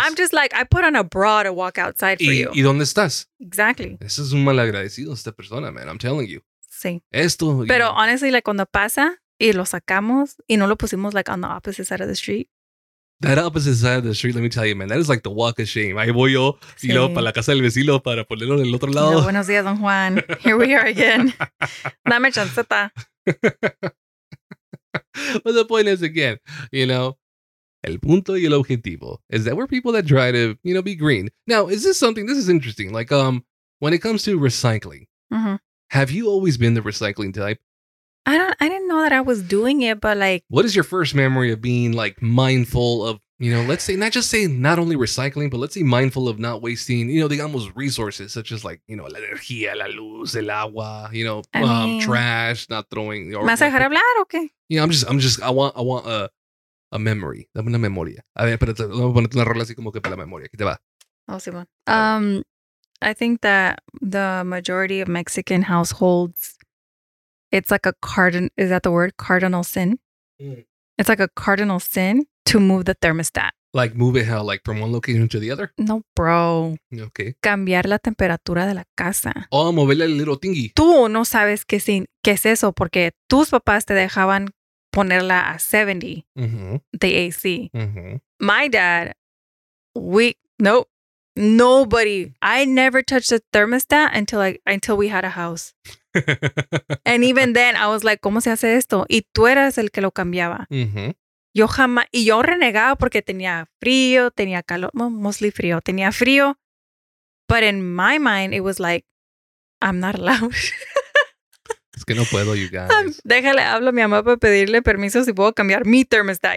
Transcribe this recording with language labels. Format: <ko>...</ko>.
<en>I'm just like, I put on a bra to walk outside for you.</en> <es>¿Y dónde estás?</es> <en>Exactly.</en> <es>Eso es un malagradecido esta persona, man.</es> <en>I'm telling you.</en> <es>Sí. Esto. Pero know.</es> <en>Honestly,</en> <es>like, cuando pasa y lo sacamos y no lo pusimos, like,</es> <en>on the opposite side of the street. That opposite side of the street, let me tell you, man, that is like the walk of shame.</en> <es>Ahí voy yo, sí. y luego para la casa del vecino para ponerlo en el otro lado. No, buenos días, don Juan.</es> <en>Here we are again.</en> <es>Dame chanceta.</es> <en>But the point is, again, you know,</en> <es>el punto y el objetivo</es> <en>is that we're people that try to, you know, be green. Now, is this something, this is interesting, like, when it comes to recycling, mm-hmm. have you always been the recycling type? I didn't know that I was doing it, but like... What is your first memory of being like mindful of, you know, let's say, not just say not only recycling, but let's say mindful of not wasting, you know, the almost resources such as like, you know,</en> <es>la energía, la luz, el agua,</es> <en>you know, trash, not throwing...</en> <es>Or, ¿me vas a dejar hablar o qué?</es> <en>You know, I'm just, I want a memory.</en> <es>Dame una memoria. A ver, espérate, vamos a ponerte una rola así como que para la memoria. ¿Qué te va? Oh, Simón.</es> <en>I think that the majority of Mexican households... It's like a cardinal, is that the word? Cardinal sin? Mm. It's like a cardinal sin to move the thermostat. Like move it how? Like from one location to the other? No, bro. Okay.</en> <es>Cambiar la temperatura de la casa.</es> <en>Oh,</en> <es>moverle el</es> <en>little thingy.</en> <es>Tú no sabes qué es eso porque tus papás te dejaban ponerla a 70, mm-hmm.</es> <en>the AC. Mm-hmm. My dad, nobody. I never touched a thermostat until we had a house. And even then, I was like,</en> <es>¿cómo se hace esto? Y tú eras el que lo cambiaba. Mm-hmm. Yo jamás, y yo renegaba porque tenía frío, tenía calor,</es> <en>well, mostly</en> <es>frío, tenía frío.</es> <en>But in my mind, it was like, I'm not allowed.</en> <es>Es que no puedo,</es> <en>you guys.</en> <es>Déjale, hablo a mi mamá para pedirle permiso si puedo cambiar mi thermostat.</es>